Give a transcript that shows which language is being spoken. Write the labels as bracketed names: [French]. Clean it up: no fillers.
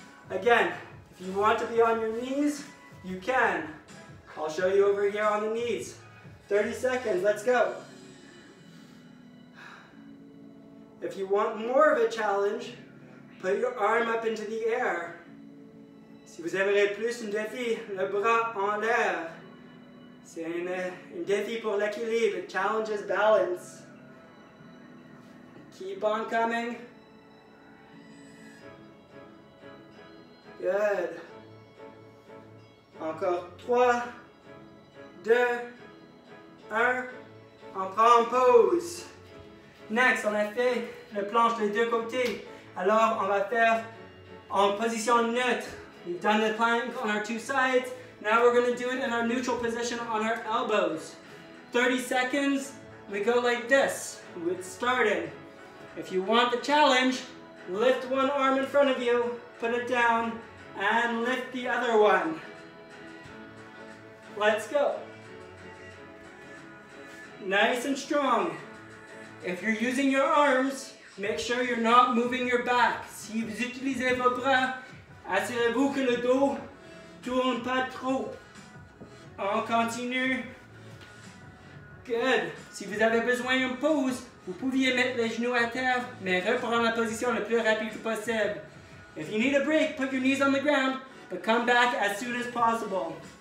[English] Again, if you want to be on your knees, you can. I'll show you over here on the knees. 30 seconds. Let's go. If you want more of a challenge, put your arm up into the air. [French] Si vous aimerez plus un défi, le bras en l'air. C'est un défi pour l'équilibre. [English] It challenges balance. Keep on coming. [French] Good. Encore 3, 2, 1. On prend une pause. Next, on a fait la planche des deux côtés. Alors, on va faire en position neutre. [English] We've done the plank on our two sides. Now we're going to do it in our neutral position on our elbows. 30 seconds, we go like this. We've started. If you want the challenge, lift one arm in front of you, put it down, and lift the other one. Let's go. Nice and strong. If you're using your arms, make sure you're not moving your back. [French] Si vous utilisez vos bras, assurez-vous que le dos tourne pas trop. On continue. Good. Si vous avez besoin d'une pause, vous pouviez mettre les genoux à terre, mais reprendre la position le plus rapide possible. [English] If you need a break, put your knees on the ground, but come back as soon as possible.